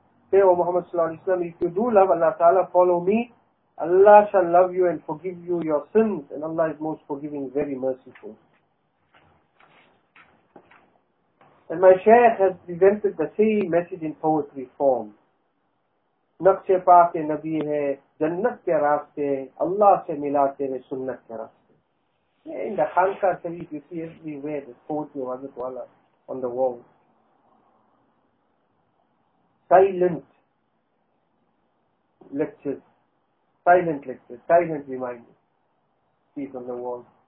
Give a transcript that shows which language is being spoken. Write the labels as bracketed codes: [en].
[en] Say, O Muhammad [ar] sallallahu alayhi wa sallam, [en] if you do love Allah Ta'ala, follow me, Allah shall love you and forgive you your sins, and Allah is most forgiving, very merciful. And my Shaykh has presented the same message in poetry form. [ur] نقشِ پاکِ نبی ہے جنت کے راستے اللہ سے ملا تیرے سنت کے راستے. [en] In the Khanqah Sharif, you see everywhere the poetry of Hazrat Wala on the wall. Silent lectures, silent lectures, silent reminders. See it on the wall.